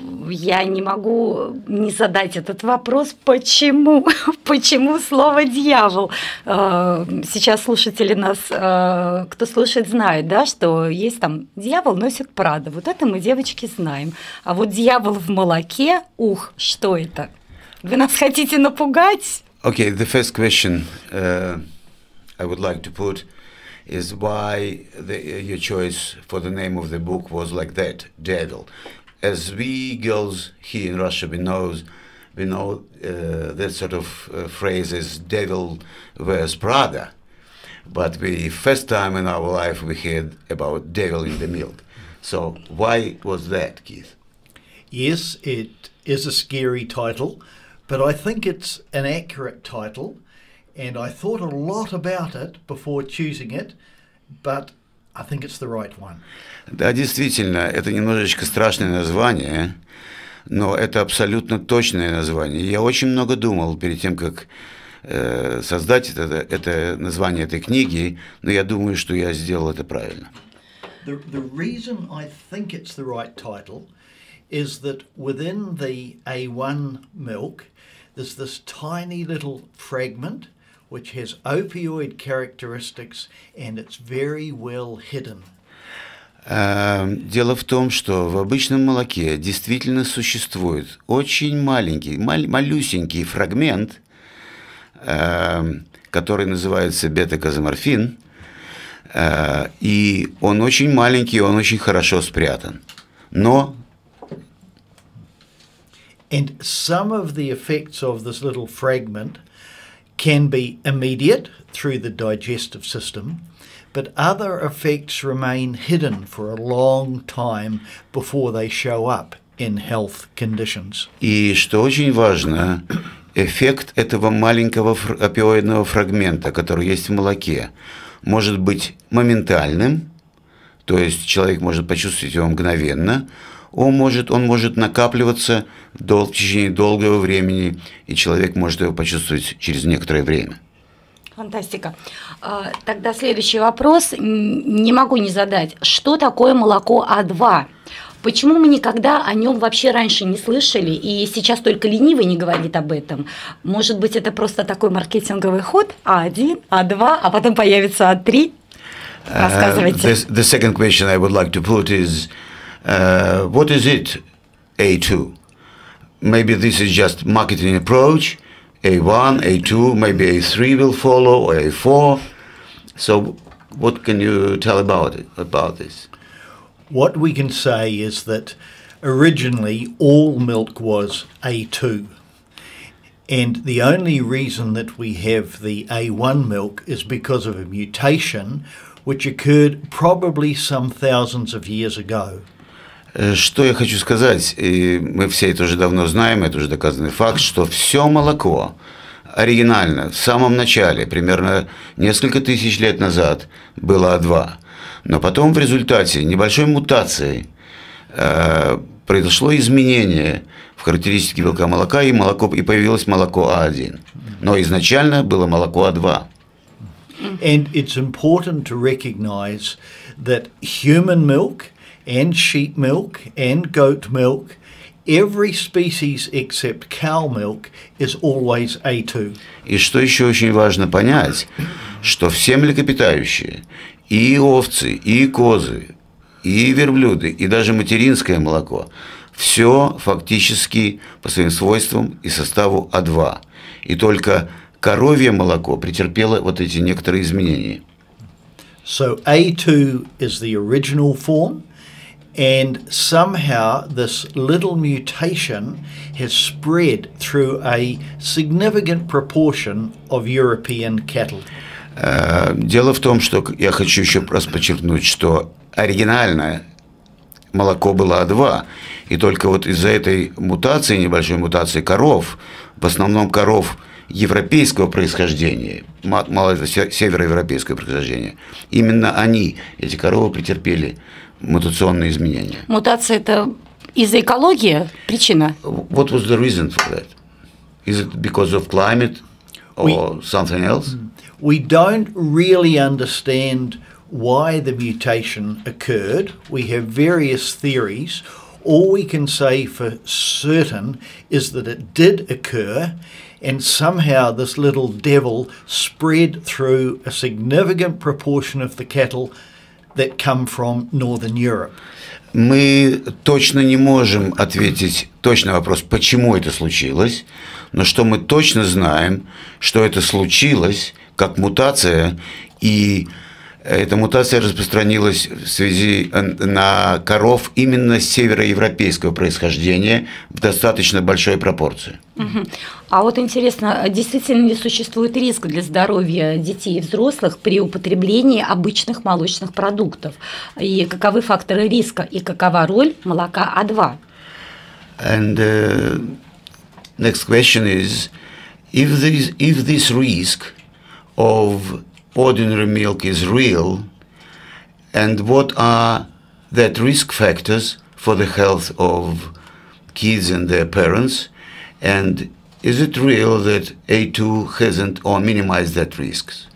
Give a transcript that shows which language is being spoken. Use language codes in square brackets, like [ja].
[ru] Я не могу не задать этот вопрос, почему, почему слово «дьявол»? Сейчас слушатели нас, кто слушает, знают, да, что есть там «дьявол носит Прада». Вот это мы, девочки, знаем. А вот «дьявол в молоке», ух, что это? Вы нас хотите напугать? [en] Okay, the first question I would like to put is why your choice for the name of the book was like that, «Devil». As we girls here in Russia, we know that sort of phrase is "devil wears Prada," but we first time in our life we heard about devil in the milk. So why was that, Keith? Yes, it is a scary title, but I think it's an accurate title, and I thought a lot about it before choosing it, but I think it's the right one. [ru] Да, действительно, это немножечко страшное название, но это абсолютно точное название. Я очень много думал перед тем, как создать это название этой книги, но я думаю, что я сделал это правильно. [en] The reason I think it's the right title is that within the A1 milk there's this tiny little fragment which has opioid characteristics, and it's very well hidden. [ru] Дело в том, что в обычном молоке действительно существует очень маленький, малюсенький фрагмент, который называется бета-казоморфин, и он очень маленький, он очень хорошо спрятан. Но... [en] And some of the effects of this little fragment can be immediate through the digestive system, but other effects remain hidden for a long time before they show up in health conditions. [ru] И что очень важно, эффект этого маленького опиоидного фрагмента, который есть в молоке, может быть моментальным, то есть человек может почувствовать его мгновенно. Он может накапливаться в течение долгого времени, и человек может его почувствовать через некоторое время. Фантастика. Тогда следующий вопрос. Не могу не задать. Что такое молоко А2? Почему мы никогда о нем вообще раньше не слышали, и сейчас только ленивый не говорит об этом? Может быть, это просто такой маркетинговый ход? А1, А2, а потом появится А3? Рассказывайте. [en] The second question I would like to put is... what is it, A2? Maybe this is just marketing approach, A1, A2, maybe A3 will follow, or A4. So what can you tell about this? What we can say is that originally all milk was A2. And the only reason that we have the A1 milk is because of a mutation which occurred probably some thousands of years ago. [ru] Что я хочу сказать, и мы все это уже давно знаем, это уже доказанный факт, что все молоко оригинально в самом начале, примерно несколько тысяч лет назад, было А2. Но потом в результате небольшой мутации произошло изменение в характеристике белка молока, и появилось молоко А1. Но изначально было молоко А2. [en] And it's important to recognize that human milk and sheep milk, and goat milk, every species except cow milk is always A2. [ru] И что еще очень важно понять, что все млекопитающие, и овцы, и козы, и верблюды, и даже материнское молоко, все фактически по своим свойствам и составу А2. И только коровье молоко претерпело вот эти некоторые изменения. [en] So A2 is the original form, and somehow this little mutation has spread through a significant proportion of European cattle. [ru] Дело в том, что я хочу еще раз подчеркнуть, что оригинальное молоко было А2, и только вот из-за этой мутации, небольшой мутации коров, в основном коров европейского происхождения, мало североевропейского происхождения, именно они, эти коровы, претерпели мутационные изменения. Мутация – это из-за экологии причина? [en] What was the reason for that? Is it because of climate or something else? We don't really understand why the mutation occurred. We have various theories. All we can say for certain is that it did occur, and somehow this little devil spread through a significant proportion of the cattle that come from Northern Europe. [ru] Мы точно не можем ответить точный вопрос, почему это случилось, но что мы точно знаем, что это случилось как мутация, и эта мутация распространилась в связи на коров именно североевропейского происхождения в достаточно большой пропорции. А вот интересно, действительно ли существует риск для здоровья детей и взрослых при употреблении обычных молочных продуктов? И каковы факторы риска, и какова роль молока А2? [en] And next question is, if this risk of ordinary milk is real, and what are that risk factors for the health of kids and their parents, and is it real that A2 hasn't or minimized that risk?